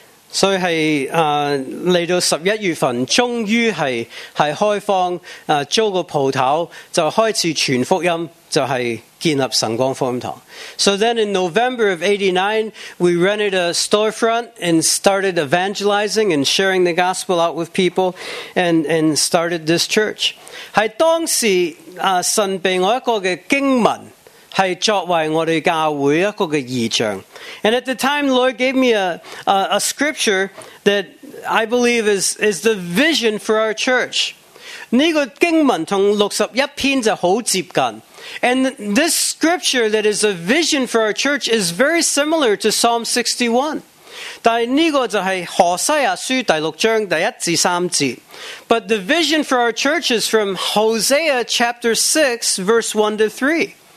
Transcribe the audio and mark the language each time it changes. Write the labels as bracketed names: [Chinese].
[Chinese] 所以是来到11月份，终于是开放，租个铺头，就开始传福音，就是建立神光福音堂. [English] So then in November of 89, we rented a storefront and started evangelizing and sharing the gospel out with people and started this church. [Chinese] 是当时神给我一个的经文， 是作为我们教会一个的意象。 [English] And at the time, the Lord gave me a scripture that I believe is the vision for our church. [Chinese] 这个经文和61篇就很接近。 [English] And this scripture that is a vision for our church is very similar to Psalm 61. [Chinese] 但这个就是何西阿书第6章第1至3节。 [English] But the vision for our church is from Hosea chapter 6, verse 1 to 3.